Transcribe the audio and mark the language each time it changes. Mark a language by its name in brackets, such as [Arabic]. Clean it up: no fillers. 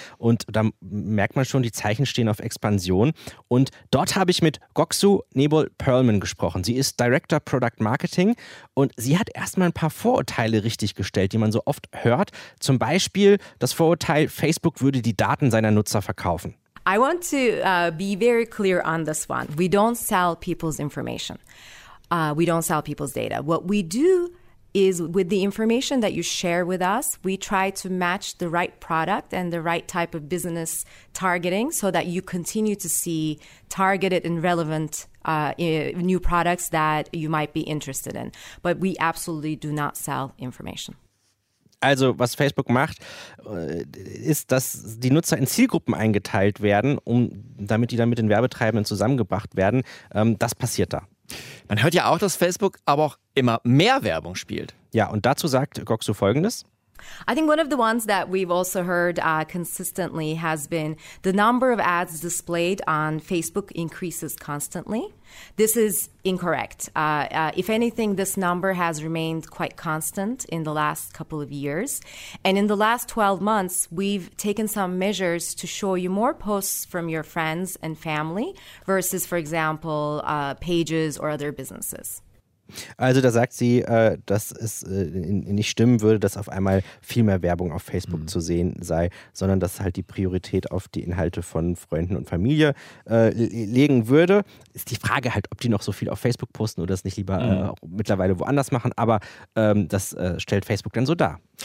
[German] Und da merkt man schon, die Zeichen stehen auf Expansion. Und dort habe ich mit Goksu Nebel-Perlman gesprochen. Sie ist Director Product Marketing und sie hat erstmal ein paar Vorurteile richtiggestellt, die man so oft hört. Zum Beispiel das Vorurteil, Facebook würde die Daten seiner Nutzer verkaufen. [English] I want to be very clear on this one. We don't sell people's information. We don't sell people's data. What we do is with the information that you share with us, we try to match the right product and the right type of business targeting so that you continue to see targeted and relevant new products that you might be interested in. But we absolutely do not sell information. [German] Also was Facebook macht, ist, dass die Nutzer in Zielgruppen eingeteilt werden, damit die dann mit den Werbetreibenden zusammengebracht werden. Das passiert da. Man hört ja auch, dass Facebook aber auch immer mehr Werbung spielt. Ja, und dazu sagt Goksu Folgendes. [English] I think one of the ones that we've also heard consistently has been the number of ads displayed on Facebook increases constantly. This is incorrect. If anything, this number has remained quite constant in the last couple of years. And in the last 12 months, we've taken some measures to show you more posts from your friends and family versus, for example, pages or other businesses. [German] Also da sagt sie, dass es nicht stimmen würde, dass auf einmal viel mehr Werbung auf Facebook zu sehen sei, sondern dass halt die Priorität auf die Inhalte von Freunden und Familie legen würde. Ist die Frage halt, ob die noch so viel auf Facebook posten oder es nicht lieber mittlerweile woanders machen, aber das stellt Facebook dann so dar.